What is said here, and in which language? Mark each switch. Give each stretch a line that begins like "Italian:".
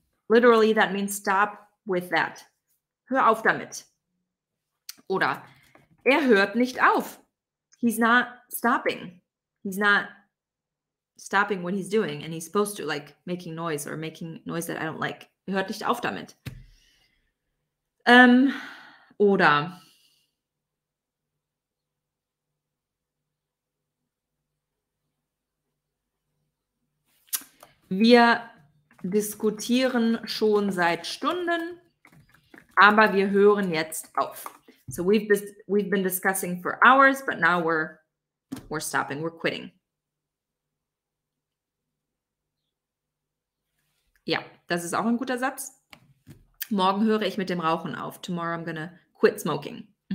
English: Literally, that means stop with that.
German: Hör auf damit. Oder hört nicht auf.
English: He's not stopping. He's not stopping what he's doing, and he's supposed to, like making noise or making noise that I don't like.
German: Hört nicht auf damit. Oder wir diskutieren schon seit Stunden, aber wir hören jetzt auf.
English: So we've been discussing for hours, but now we're stopping, we're quitting.
German: Ja, das ist auch ein guter Satz. Morgen höre ich mit dem Rauchen auf.
English: Tomorrow I'm gonna quit smoking.